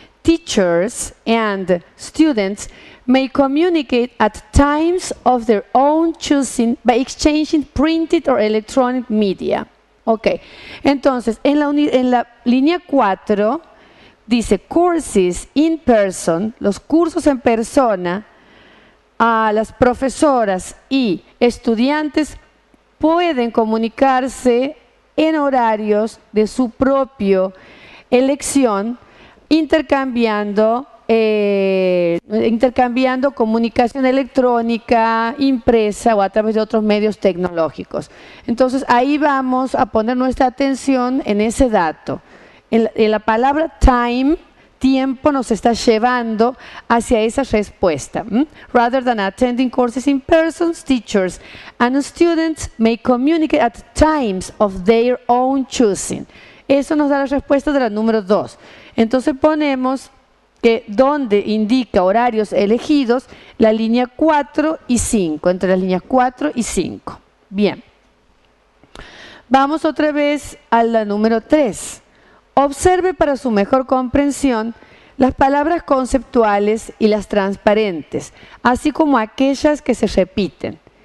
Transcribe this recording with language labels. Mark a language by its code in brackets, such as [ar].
[en] teachers and students may communicate at times of their own choosing by exchanging printed or electronic media. [es] Ok, entonces en la línea 4 dice [en] courses in person, [es] los cursos en persona, a las profesoras y estudiantes pueden comunicarse en horarios de su propia elección, intercambiando comunicación electrónica, impresa o a través de otros medios tecnológicos. Entonces, ahí vamos a poner nuestra atención en ese dato. En la palabra time, tiempo, nos está llevando hacia esa respuesta. [en] Rather than attending courses in person, teachers and students may communicate at times of their own choosing. [es] Eso nos da la respuesta de la número 2. Entonces ponemos que donde indica horarios elegidos, la línea 4 y 5, entre las líneas 4 y 5. Bien. Vamos otra vez a la número 3. Observe para su mejor comprensión las palabras conceptuales y las transparentes, así como aquellas que se repiten.